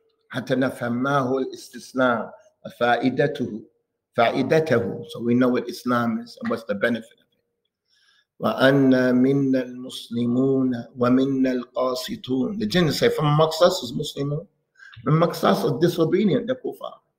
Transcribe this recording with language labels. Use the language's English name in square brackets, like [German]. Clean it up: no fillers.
[Arabic] حتى نفهم ما هو الاستسلام. فائدته. فائدته. [English] So we know what Islam is and what's the benefit. [Arabic] وأن من المسلمون ومن القاسطون. [English] The jinn say from amongst us is Muslims. From amongst us is disobedient, the kuffar.